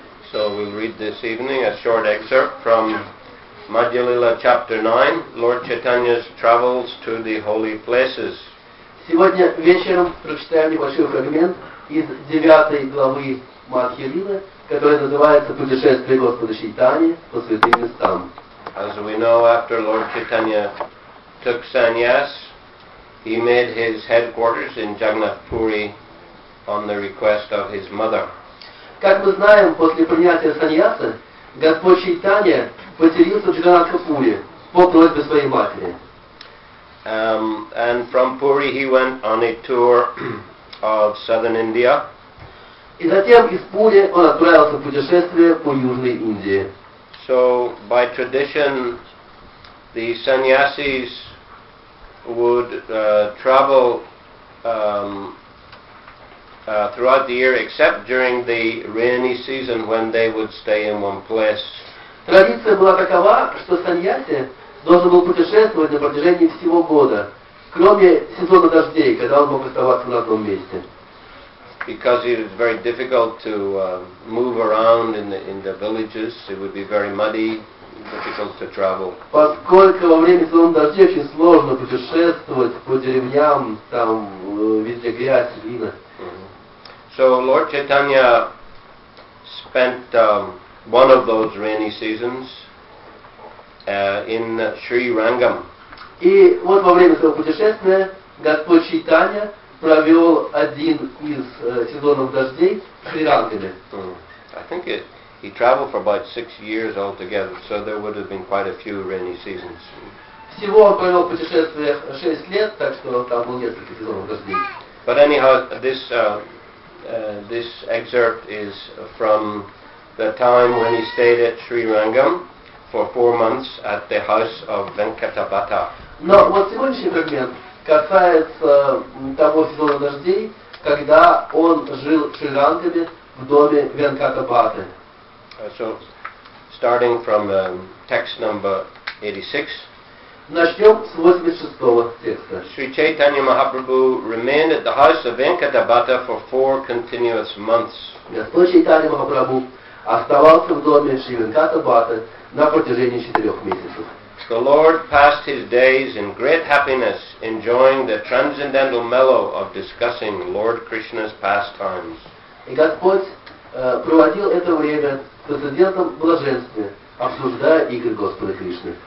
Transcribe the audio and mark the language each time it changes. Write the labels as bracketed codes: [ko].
[en] So we'll read this evening a short excerpt from Madhya Lila Chapter 9, Lord Chaitanya's Travels to the Holy Places. [ru] Сегодня вечером прочитаем небольшой фрагмент из 9 главы Мадхи Лилы, которая называется «Путешествие Господа Чайтаньи по святым местам». [en] As we know, after Lord Chaitanya took sannyas, he made his headquarters in Jagannath Puri on the request of his mother. [ru] Как мы знаем, после принятия саньяса, Господь Чайтанья поселился в Джаганнатхапуре по просьбе своей матери. [en] And from Puri he went on a tour of southern India. [ru] И затем из Пури он отправился в путешествие по Южной Индии. [en] So, by tradition, the sannyasis would travel throughout the year, except during the rainy season when they would stay in one place. [ru] Традиция была такова, что саньяси должен был путешествовать на протяжении всего года, кроме сезона дождей, когда он мог оставаться на одном месте. [en] Because it is very difficult to move around in the villages, it would be very muddy, difficult to travel. [ru] Поскольку во время сезона дождей очень сложно путешествовать по деревням, там везде грязь, глина. [en] So Lord Chaitanya spent one of those rainy seasons in Sri Rangam. [ru] И вот во время своего путешествия Господь Чайтанья провел один из сезонов дождей в Шри Рангаме. [en] I think he traveled for about 6 years altogether, so there would have been quite a few rainy seasons. [ru] Всего он провел путешествие 6 лет, так что там было несколько сезонов дождей. [en] But anyhow, this this excerpt is from the time when he stayed at Sri Rangam for 4 months at the house of Venkatabhatta. [ru] Но вот сегодняшний фрагмент касается того сезона дождей, когда он жил в Шри Рангаме в доме Венкатабхатты. [en] So, starting from text number 86. [ru] Начнем с 86-го текста. [en] Sri Chaitanya Mahaprabhu remained at the house of Venkatabhatta for 4 continuous months. [ru] Господь Чайтанья Махапрабху оставался в доме Шри Венкатабхатты на протяжении 4 месяцев. [en] The Lord passed his days in great happiness, enjoying the transcendental mellow of discussing Lord Krishna's pastimes. [ru] И Господь проводил это время в трансцендентном блаженстве, обсуждая игры Господа Кришны.